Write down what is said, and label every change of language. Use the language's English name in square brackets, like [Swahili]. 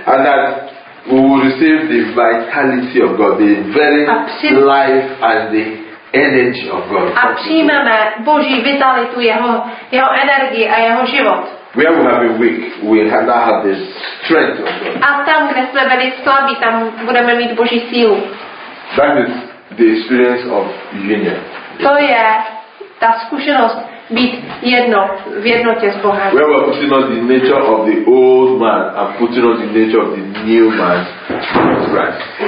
[English] And that we will receive the vitality of God, the very life and the energy of God. [Czech] A přijmeme Boží vitalitu, jeho energii a jeho život. [English] Where we have been weak, we have now have the strength of God. [Czech] A tam, kde jsme byli slabí, tam budeme mít Boží sílu. [English] That is the experience of union. [Czech] To je ta zkušenost být jedno v jednotě s Bohem. [English] Where we are putting on the nature of the old man and putting on the nature of the new man, Jesus Christ.